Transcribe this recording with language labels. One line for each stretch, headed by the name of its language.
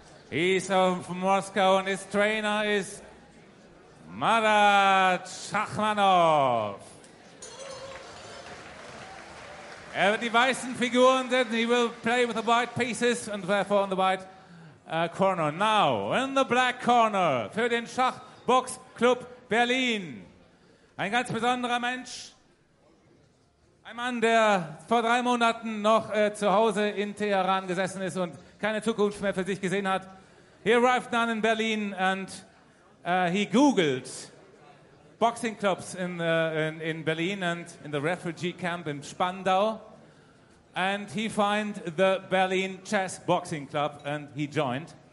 English: He's from Moscow and his trainer is Marat Shachmanov.
German: Die weißen Figuren,
English: then he will play with the white pieces and therefore on the white corner. Now, in the black corner,
German: für den Schachboxclub Berlin, ein ganz besonderer Mensch. Ein Mann, der vor 3 Monaten noch zu Hause in Teheran gesessen ist und keine Zukunft mehr für sich gesehen hat.
English: He arrived now in Berlin and he googled boxing clubs in Berlin and in the refugee camp in Spandau. And he found the Berlin Chess Boxing Club and he joined.